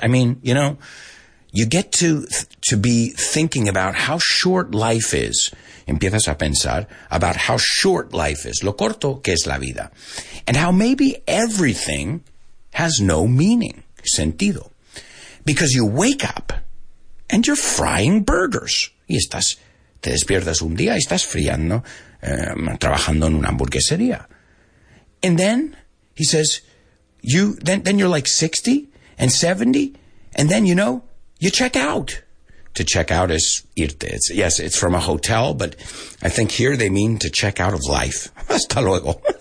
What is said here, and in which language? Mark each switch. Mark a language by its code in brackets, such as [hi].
[en] I mean, you know, you get to be thinking about how short life is. [es] Empiezas a pensar [en] about how short life is, [es] lo corto que es la vida, [en] and how maybe everything has no meaning, [es] sentido, [en] because you wake up and you're frying burgers. [es] Y estás, te despiertas un día y estás friando, trabajando en una hamburguesería. [en] And then, he says, then you're like 60 and 70, and then, you know, you check out. To check out is irte. Yes, it's from a hotel, but I think here they mean to check out of life. [es] Hasta luego.